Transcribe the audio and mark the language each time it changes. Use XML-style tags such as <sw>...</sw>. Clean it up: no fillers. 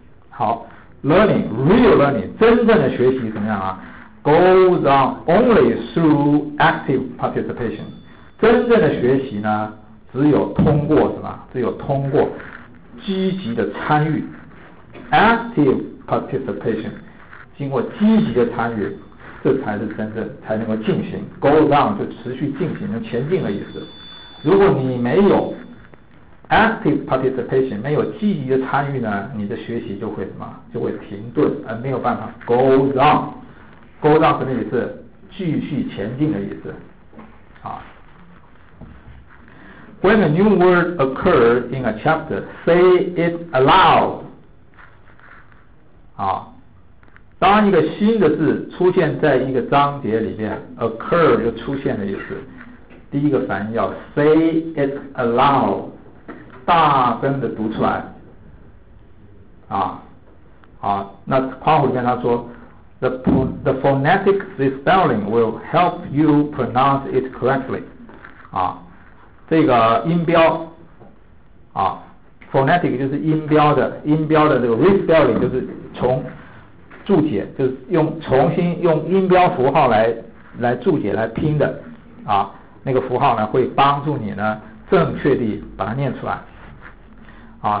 <en>好 ，learning real learning</en> <zh>真正的学习怎么样啊</zh> <en>？goes on only through active participation。</en> <zh>真正的学习呢，只有通过什么？只有通过积极的参与 ，</zh> <en>active participation，</en> <zh>经过积极的参与，这才是真正才能够进行。</zh> <en>goes on</en> <zh>就持续进行、前进的意思。如果你没有</zh> <en>active participation，</en> <zh>没有积极的参与呢，你的学习就会什么？就会停顿，而没有办法</zh> <en>go on。 go on</en> <zh>什么意思？继续前进的意思。啊。</zh> <en>When a new word occurs in a chapter, say it aloud。</en> <zh>啊，当一个新的字出现在一个章节里面 ，occur 就出现的意思。第一个反应要</zh> <en>say it aloud，</en> <zh>大声的读出来。啊，好，那括弧里面他说 ，</zh> <en>the phonetic spelling will help you pronounce it correctly。</en> <zh>啊，这个音标，啊 ，phonetic 就是音标的这个 respelling 就是重注解，就是用重新用音标符号来注解来拼的，啊。那个符号呢会帮助你呢正确地把它念出来啊。</zh>